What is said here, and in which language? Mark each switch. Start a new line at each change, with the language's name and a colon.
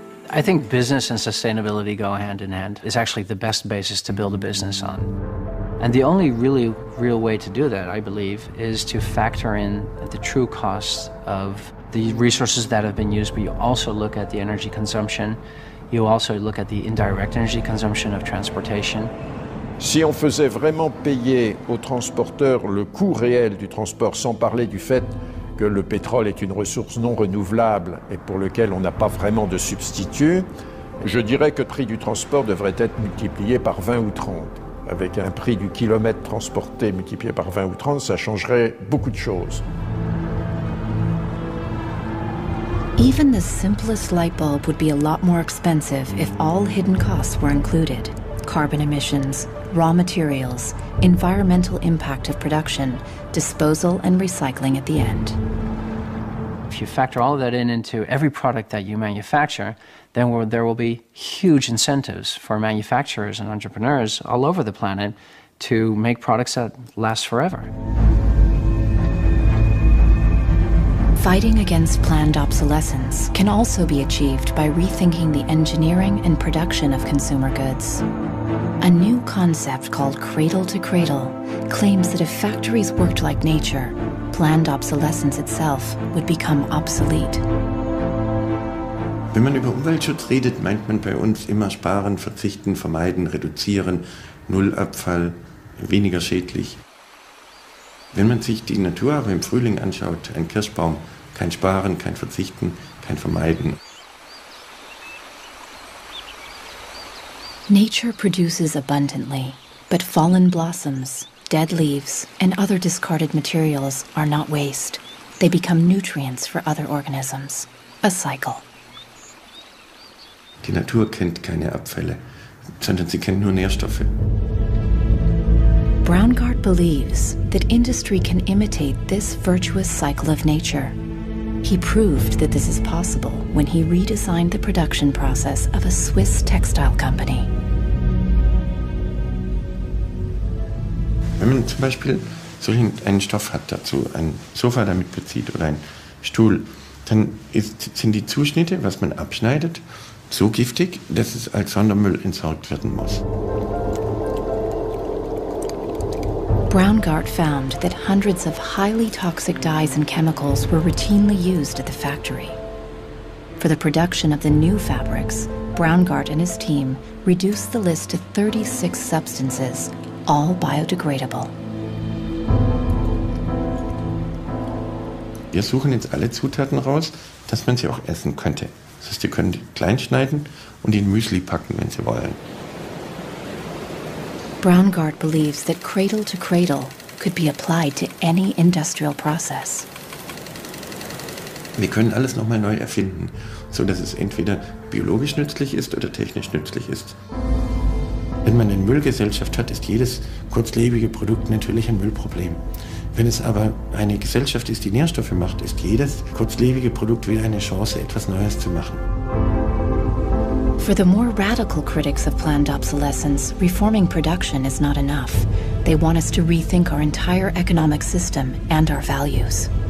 English: I think business and sustainability go hand in hand. It's actually the best basis to build a business on. And the only really real way to do that, I believe, is to factor in the true costs of the resources that have been used, but you also look at the energy consumption. You also look at the indirect energy consumption of transportation.
French: Si on faisait vraiment payer aux transporteurs le coût réel du transport, sans parler du fait que le pétrole est une ressource non renouvelable et pour lequel on n'a pas vraiment de substitut, je dirais que le prix du transport devrait être multiplié par 20 ou 30. Avec un prix du kilomètre transporté multiplié par 20 ou 30, ça changerait beaucoup de choses.
English: Even the simplest light bulb would be a lot more expensive if all hidden costs were included. Carbon emissions, raw materials, environmental impact of production, disposal and recycling at the end. If you factor all of that in into every product that you manufacture, then there will be huge incentives for manufacturers and entrepreneurs all over the planet to make products that last forever. Fighting against planned obsolescence can also be achieved by rethinking the engineering and production of consumer goods. A new concept called cradle to cradle claims that if factories worked like nature, planned obsolescence itself would become obsolete.
German: Wenn man über Umweltschutz redet, meint man bei uns immer sparen, verzichten, vermeiden, reduzieren, null Abfall, weniger schädlich. Wenn man sich die Natur aber im Frühling anschaut, ein Kirschbaum, kein Sparen, kein Verzichten, kein Vermeiden.
English: Nature produces abundantly, but fallen blossoms, dead leaves, and other discarded materials are not waste. They become nutrients for other organisms. A cycle.
German: Die Natur kennt keine Abfälle, sondern sie kennt nur Nährstoffe.
English: Braungart believes that industry can imitate this virtuous cycle of nature. He proved that this is possible when he redesigned the production process of a Swiss textile company.
German: Wenn man zum Beispiel solch einen Stoff hat, dazu ein Sofa damit bezieht oder ein Stuhl, dann sind die Zuschnitte, was man abschneidet, so giftig, dass es als Sondermüll entsorgt werden muss.
English: Braungart found that hundreds of highly toxic dyes and chemicals were routinely used at the factory. For the production of the new fabrics, Braungart and his team reduced the list to 36 substances, all biodegradable.
German: Wir suchen jetzt alle Zutaten raus, dass man sie auch essen könnte. Das heißt, sie können klein schneiden und in Müsli packen, wenn sie wollen.
English: Braungart believes that cradle to cradle could be applied to any industrial process.
German: Wir können alles noch mal neu erfinden, so dass es entweder biologisch nützlich ist oder technisch nützlich ist. Wenn man eine Müllgesellschaft hat, ist jedes kurzlebige Produkt natürlich ein Müllproblem. Wenn es aber eine Gesellschaft ist, die Nährstoffe macht, ist jedes kurzlebige Produkt wieder eine Chance, etwas Neues zu machen.
English: For the more radical critics of planned obsolescence, reforming production is not enough. They want us to rethink our entire economic system and our values.